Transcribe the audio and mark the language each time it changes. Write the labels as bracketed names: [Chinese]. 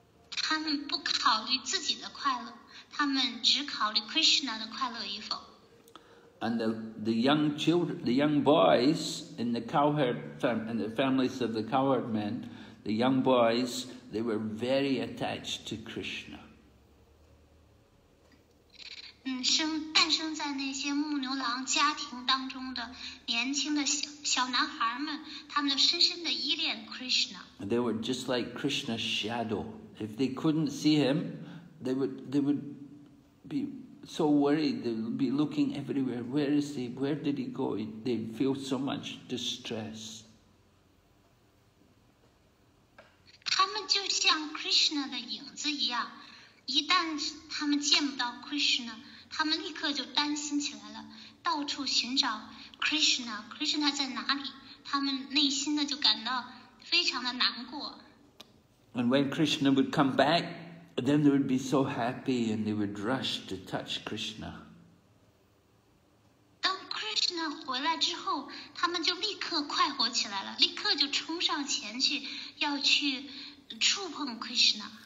[Chinese] 他们不考虑自己的快乐，他们只考虑 Krishna 的快乐与否。 [English] And the young children, the young boys in the cowherd in the families of the cowherd men, the young boys, they were very attached to Krishna. [Chinese] 诞生在那些牧牛郎家庭当中的年轻的 小男孩们，他们就深深地依恋 Krishna。 [English] They were just like Krishna's shadow. If they couldn't see him, they would be so worried. They would be looking everywhere. Where is he? Where did he go? They'd feel so much distress. [Chinese] 他们就像 Krishna 的影子一样，一旦他们见不到 Krishna。他们立刻就担心起来了，到处寻找 Krishna， Krishna 在哪里？他们内心的就感到非常的难过。 [English] And when Krishna would come back, then they would be so happy and they would rush to touch Krishna. [Chinese] 当 Krishna 回来之后，他们就立刻快活起来了，立刻就冲上前去，要去触碰 Krishna.